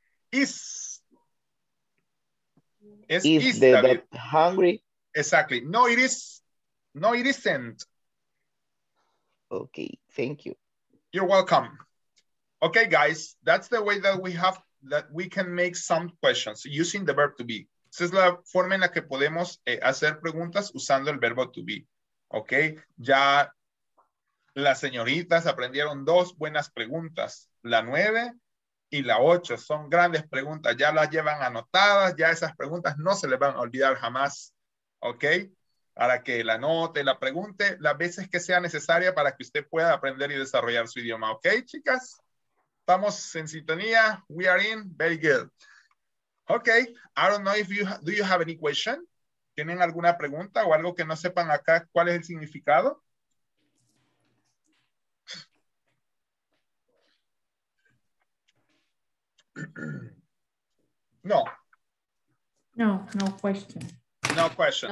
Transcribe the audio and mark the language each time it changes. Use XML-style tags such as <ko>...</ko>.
<en>Is the dog hungry? Exactly. No, it isn't. Okay, thank you. You're welcome. Okay, guys, that's the way that we have, that we can make some questions using the verb to be.</en> <es>Esa es la forma en la que podemos hacer preguntas usando el verbo to be. Okay, ya las señoritas aprendieron dos buenas preguntas, la 9 y la 8. Son grandes preguntas, ya las llevan anotadas, ya esas preguntas no se les van a olvidar jamás. Okay, para que la anote, la pregunte las veces que sea necesaria para que usted pueda aprender y desarrollar su idioma. Okay, chicas. Estamos en sintonía.</es> <en>We are in. Very good.</en> <es>Okay.</es> <en>I don't know if you, do you have any question?</en> <es>¿Tienen alguna pregunta o algo que no sepan acá cuál es el significado? No.</es> <en>No, no question. No questions.</en>